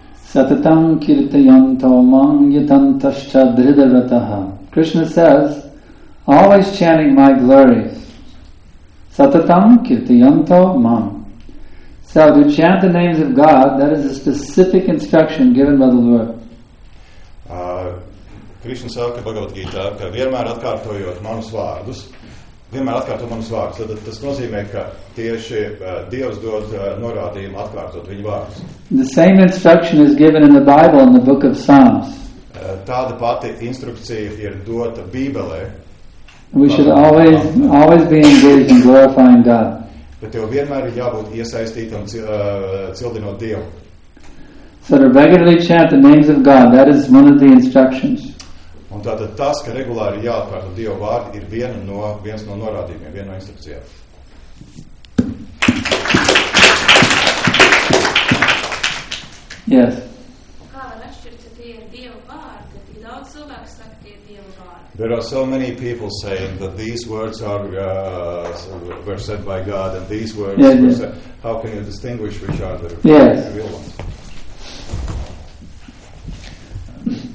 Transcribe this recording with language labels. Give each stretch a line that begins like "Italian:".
Sanskrit: Satatam kirtayanto mangyatantascha dridavataha.
English: Krishna says, always chanting my glories.
Sanskrit: Satatam kirtayanto mam.
English: So to chant the names of God, that is a specific instruction given by the Lord.
Latvian: Krishna saka Bhagavad Gita, ka vienmēr atkārtojot manus vārdus, vienmēr atkārtot manus vārdus. Tad tas nozīmē, ka tieši Dievs dod norādījumu atkārtot viņu vārdus.
English: The same instruction is given in the Bible in the book of Psalms.
Latvian: Tāda pati instrukcija ir dota Bībelē.
English: We should always be engaged in glorifying God.
Latvian: Bet tev vienmēr ir jābūt iesaistītam cildinot Dievu.
English: So to regularly chant the names of God, that is one of the instructions.
Latvian: Un tātad tas, ka regulāri jāatkārto Dieva vārdi, ir viens no norādījumiem, viena no instrukcijām.
English: Yes.
Latvian: Kā var atšķirt, ka tie ir Dieva vārdi, ka tie daudz cilvēku saka, ka tie ir Dieva vārdi?
English: There are so many people saying that these words are were said by God, and these words were said. How can you distinguish which are the real ones?